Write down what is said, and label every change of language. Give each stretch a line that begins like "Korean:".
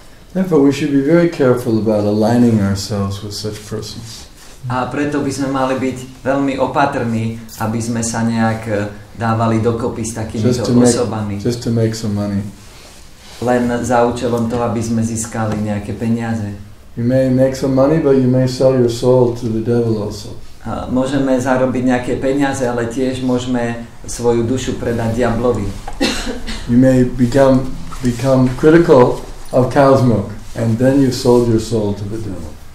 English: Therefore, we should be very careful about aligning ourselves with such persons.
Slovak: A preto by sme mali byť veľmi opatrní, aby sme sa nejak dávali dokopy s takýmito osobami.
English: Just to make some money.
Slovak: Len za účelom toho, aby sme získali nejaké peniaze.
English: You may make some money, but you may sell your soul to the devil also.
Slovak: Môžeme zarobiť nejaké peniaze, ale tiež môžeme svoju dušu predať diablovi.
English: You may become critical of cow's milk, and then you sold your soul to the devil.